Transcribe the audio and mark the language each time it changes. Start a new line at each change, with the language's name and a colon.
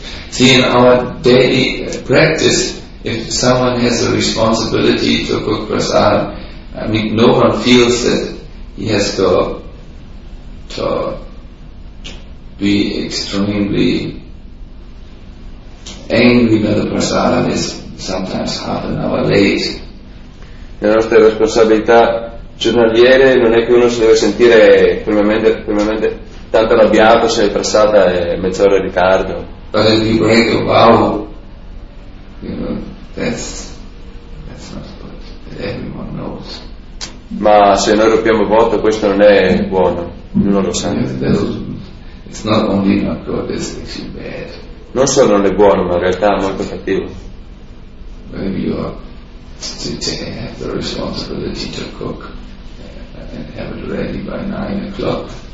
English: See, in our daily practice, if someone has a responsibility to cook prasad, I mean, no one feels that he has to be extremely angry that the prasad is sometimes half an hour late.
Italian: La nostra responsabilità giornaliere non è che uno si deve sentire fermamente tanto arrabbiato se il prasad è mezz'ora in ritardo.
English: But if you break a vow, you know, that's not good. Everyone knows.
Italian: Ma se noi rompiamo il voto, questo non è buono. Non lo sa.
English: It's not only not good, it's actually bad.
Italian: Non solo non è buono, ma in realtà è molto cattivo.
English: Maybe you have to have the responsibility to cook and have it ready by 9 o'clock.